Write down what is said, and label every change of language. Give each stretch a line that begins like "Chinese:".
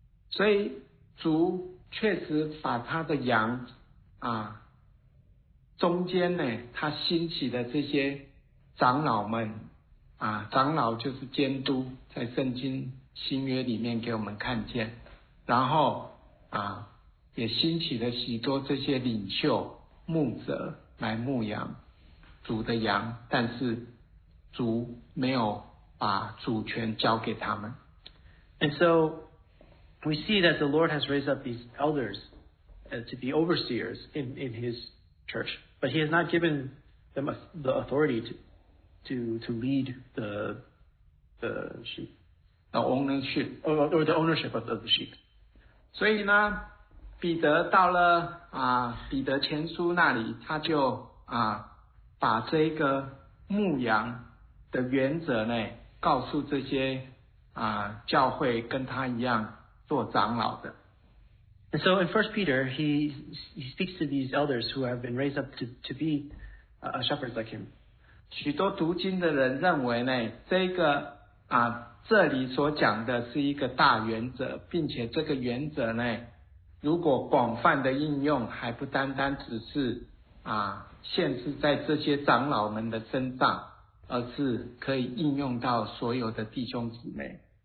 Chinese: 所以主确实把他的羊啊中间呢，他兴起的这些长老们啊，长老就是监督，在圣经新约里面给我们看见，然后啊，也兴起了许多这些领袖牧者来牧羊主的羊，但是主没有把主权交给他们。
English: And so we see that the Lord has raised up these elders to be overseers in His church, but He has not given them the authority to lead the sheep. The ownership. Or the ownership of the sheep.
Chinese: 所以呢，彼得到了啊，彼得前书那里，他就啊，把这个牧羊的原则呢，告诉这些啊教会跟他一样做长老的。
English: And so in 1 Peter, he speaks to these elders who have been raised up to be shepherds like him.
Chinese: 许多读经的人认为呢，这个啊，这里所讲的是一个大原则，并且这个原则呢，如果广泛的应用，还不单单只是啊，限制在这些长老们的身上，而是可以应用到所有的弟兄姊妹。